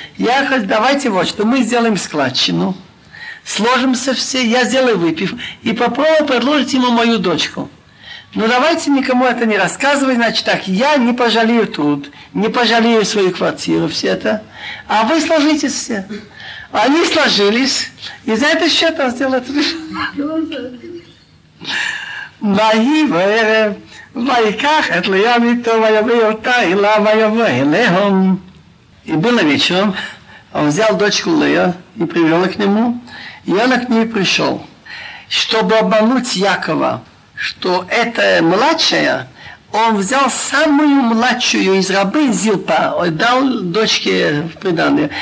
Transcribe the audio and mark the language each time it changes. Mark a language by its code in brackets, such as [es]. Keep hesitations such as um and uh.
[ru] Я хочу, давайте вот, что мы сделаем складчину, сложимся все, я сделаю выпив, и попробую предложить ему мою дочку. Ну давайте никому это не рассказывать, значит так, я не пожалею труд, не пожалею свою квартиру, все это, а вы сложитесь все. Они сложились, и за это счет он сделал это. [he] ויהי בערב, ויקח את ליה מיתו, ויביא אותה אליו, ויבוא אליהם. [ru] И было вечером, он взял дочку Лея и привел к нему, и он к ней пришел, чтобы обмануть Якова, что это младшая, он взял самую младшую из рабы Зилпа, дал дочке в приданное.